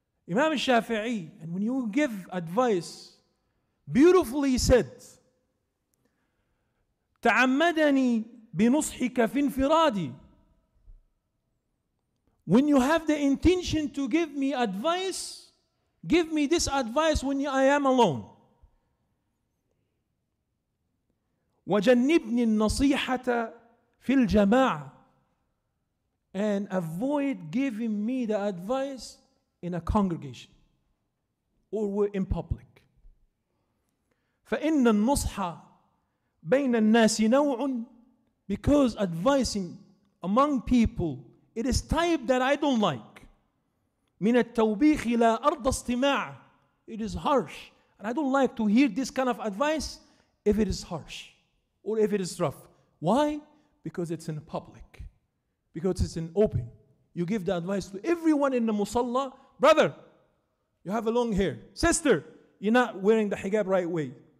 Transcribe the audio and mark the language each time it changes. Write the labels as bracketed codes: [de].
[en] Imam Shafi'i, and when you give advice, beautifully said, [ar] تعمدني بنصحك في انفرادي. [en] When you have the intention to give me advice, give me this advice when I am alone. [ar] وجنبني النصيحة في الجماعة. [en] And avoid giving me the advice in a congregation or in public. [ar] فإن النصح بين الناس نوع. [en] Because advising among people, it is type that I don't like. [ar] من التوبيخ لا أرض استماع. [en] It is harsh. And I don't like to hear this kind of advice if it is harsh or if it is rough. Why? Because it's in public. Because it's in open. You give the advice to everyone in the musalla. Brother, you have a long hair. Sister, you're not wearing the hijab right way.